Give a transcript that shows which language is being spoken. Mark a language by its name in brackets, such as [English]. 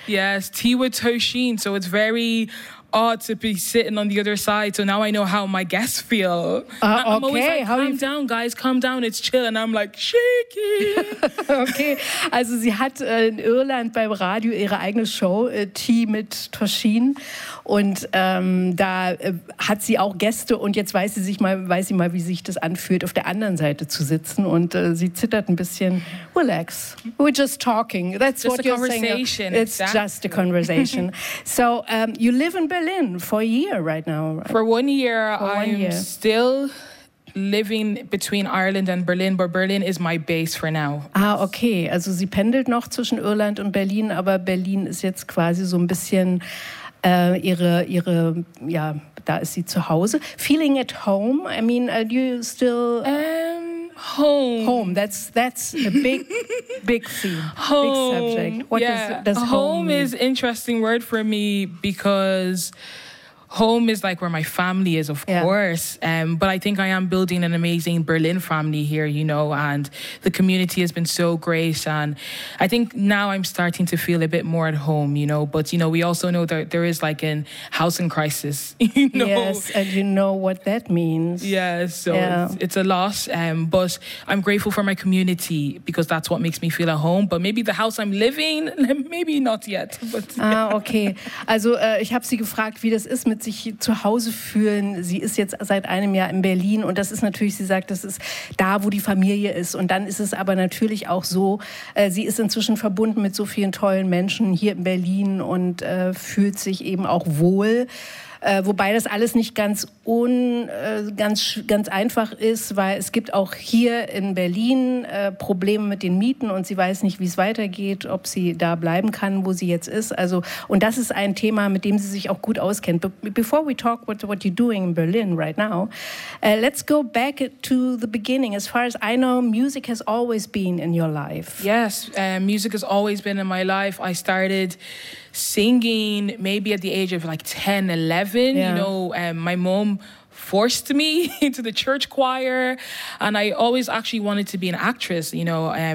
[English] Yes, Tea with Toshin, so it's very odd to be sitting on the other side, so now I know how my guests feel. Calm down, guys, it's chill, and I'm like, shaky. [German] Okay, also sie hat in Irland beim Radio ihre eigene Show, Tea mit Toshin, und da hat sie auch Gäste, und jetzt weiß sie mal, wie sich das anfühlt, auf der anderen Seite zu sitzen, und sie zittert ein bisschen. [English] Relax, we're just talking, that's just what you're saying. Just a conversation. So, you live in Berlin for a year right now. Right? For one year. Still living between Ireland and Berlin, but Berlin is my base for now. Ah, okay. [German] Also sie pendelt noch zwischen Irland und Berlin, aber Berlin ist jetzt quasi so ein bisschen ihre, ja, da ist sie zu Hause. [English] Feeling at home? I mean, are you still... Home. That's a big, big theme. Home. Big subject. What does home is an interesting word for me, because home is like where my family is, of course. But I think I am building an amazing Berlin family here, you know, and the community has been so great. And I think now I'm starting to feel a bit more at home, you know. But, you know, we also know that there is like a housing crisis, you know. Yes, and you know what that means. Yes, so it's a loss. But I'm grateful for my community, because that's what makes me feel at home. But maybe the house I'm living, maybe not yet. But, okay. [German] Also ich habe sie gefragt, wie das ist, mit sich zu Hause fühlen. Sie ist jetzt seit einem Jahr in Berlin, und das ist natürlich, sie sagt, das ist da, wo die Familie ist. Und dann ist es aber natürlich auch so, sie ist inzwischen verbunden mit so vielen tollen Menschen hier in Berlin und fühlt sich eben auch wohl. Wobei das alles nicht ganz ganz einfach ist, weil es gibt auch hier in Berlin Probleme mit den Mieten, und sie weiß nicht, wie es weitergeht, ob sie da bleiben kann, wo sie jetzt ist. Also, und das ist ein Thema, mit dem sie sich auch gut auskennt. [English] But before we talk about what you're doing in Berlin right now, let's go back to the beginning. As far as I know, music has always been in your life. Yes, music has always been in my life. I started singing maybe at the age of like 10, 11, you know, my mom forced me into the church choir, and I always actually wanted to be an actress, you know.